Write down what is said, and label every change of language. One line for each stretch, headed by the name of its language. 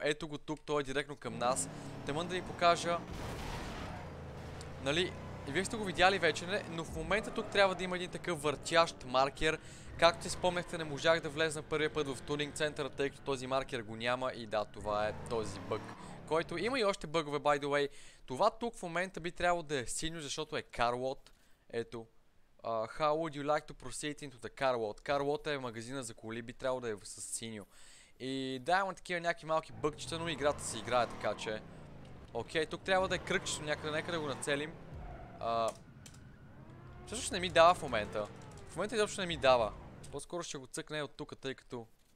Bulgarian: Ето го тук, той е директно към нас. Тъмън да ви покажа... Нали, вие сте го видяли вече, но в момента тук трябва да има един такъв въртящ маркер. Както си спомняхте, не можах да влезна първия път в тунинг центъра, тъй като този маркер го няма. И да, това е този бъг, който има и още бъгове,
English: by the way.
Bulgarian: Това тук в момента би трябвало да е синьо, защото е car lot. Ето.
English: How would you like to proceed into the car lot?
Bulgarian: Car lot е магазина за коли, би трябвало да е с синьо. И да, имам такива някакви малки бъгчета, но играта се играе, така че... Окей, тук трябва да е кръгчето някъде, нека да го нацелим. Всъщност не ми дава в момента. В момента изобщо не ми дава. По-скоро ще го цъкне от тук, тъй като...